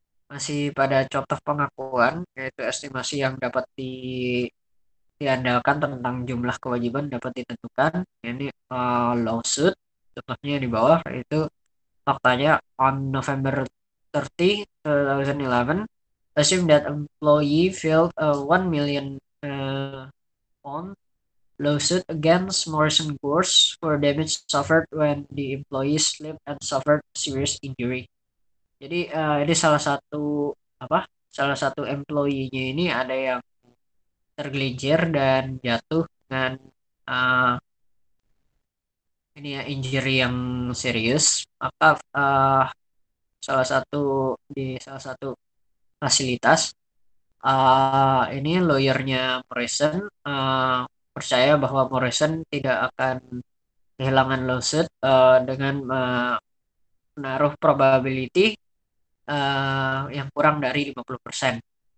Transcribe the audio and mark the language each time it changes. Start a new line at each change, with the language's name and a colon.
Indonesian: Masih pada contoh pengakuan, yaitu estimasi yang dapat diandalkan tentang jumlah kewajiban dapat ditentukan. Ini lawsuit, contohnya di bawah, yaitu faktanya
English: on November 30, 2011, assume that employee filed a 1 million pound lawsuit against Morrison Coors for damage suffered when the employee slipped and suffered serious injury.
Indonesian: Jadi ini salah satu apa? Salah satu employee-nya ini ada yang tergelincir dan jatuh dengan ini ya, injury yang serius. Maka salah satu di salah satu fasilitas ini lawyernya Morrison percaya bahwa Morrison tidak akan kehilangan lawsuit dengan menaruh probability yang kurang dari 50%.